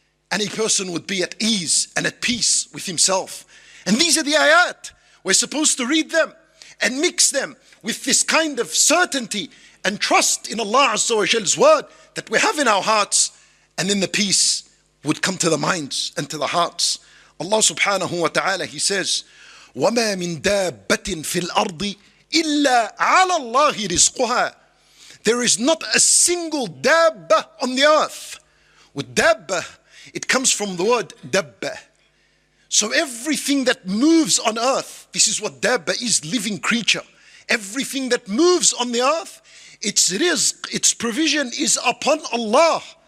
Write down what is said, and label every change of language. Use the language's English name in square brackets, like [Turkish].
[English] And a person would be at ease and at peace with himself. And these are the ayat. We're supposed to read them and mix them with this kind of certainty and trust in Allah Azza wa Jal's word that we have in our hearts. And then the peace would come to the minds and to the hearts. Allah subhanahu wa ta'ala, he says, [Arabic] وَمَا مِن دَابَّةٍ فِي الْأَرْضِ إِلَّا عَلَى اللَّهِ رِزْقُهَا. [English] There is not a single dabba on the earth. With dabba, it comes from the word dabba. So everything that moves on earth, this is what dabba is, living creature. Everything that moves on the earth, its rizq, its provision is upon Allah.